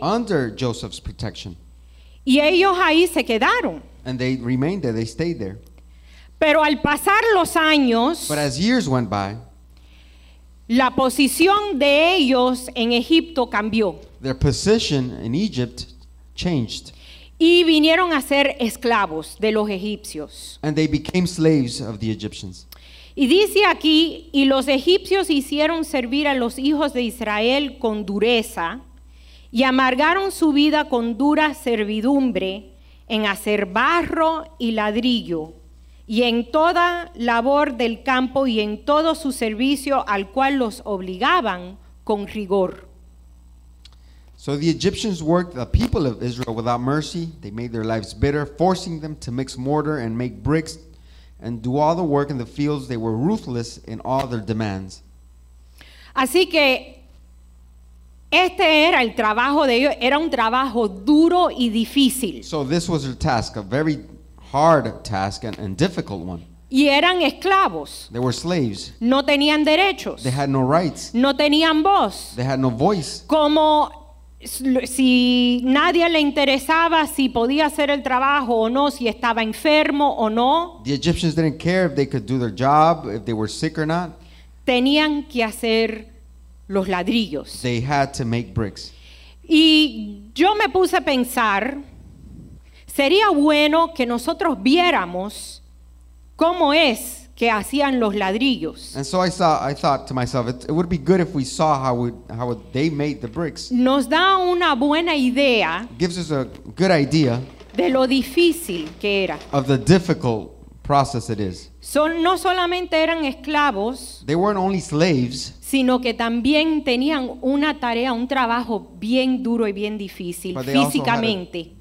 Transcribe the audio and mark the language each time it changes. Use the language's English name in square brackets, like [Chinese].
[English] under Joseph's protection. [Spanish] Y ellos ahí se quedaron. [English] And they remained there, they stayed there. [Spanish] Pero al pasar los años, [English] but as years went by, [Spanish] la posición de ellos en Egipto cambió. [English] Their position in Egypt changed. [Spanish] Y vinieron a ser esclavos de los egipcios. [English] And they became slaves of the Egyptians. [Spanish] Y dice aquí, y los egipcios hicieron servir a los hijos de Israel con dureza y amargaron su vida con dura servidumbre en hacer barro y ladrillo y en toda labor del campo y en todo su servicio al cual los obligaban con rigor. [English] So the Egyptians worked the people of Israel without mercy. They made their lives bitter, forcing them to mix mortar and make bricks and do all the work in the fields. They were ruthless in all their demands. [Spanish] Así que este era el trabajo de ellos. Era un trabajo duro y difícil. [English] So this was their task, a very hard task and difficult one. [Spanish] Y eran esclavos. [English] They were slaves. [Spanish] No tenían derechos. [English] They had no rights. [Spanish] No tenían voz. [English] They had no voice. [Spanish] Como si nadie le interesaba si podía hacer el trabajo o no, si estaba enfermo o no. [English] The Egyptians didn't care if they could do their job, if they were sick or not. [Spanish] Tenían que hacer los ladrillos. [English] They had to make bricks. [Spanish] Y yo me puse a pensar, sería bueno que nosotros viéramos cómo es que hacían los ladrillos. [English] And so I thought to myself, it would be good if we saw how they made the bricks. [Spanish] Nos da una buena idea. [English] Gives us a good idea. [Spanish] De lo difícil que era. [English] Of the difficult process it is. [Spanish] Son no solamente eran esclavos. [English] They weren't only slaves. [Spanish] Sino que también tenían una tarea, un trabajo bien duro y bien difícil físicamente.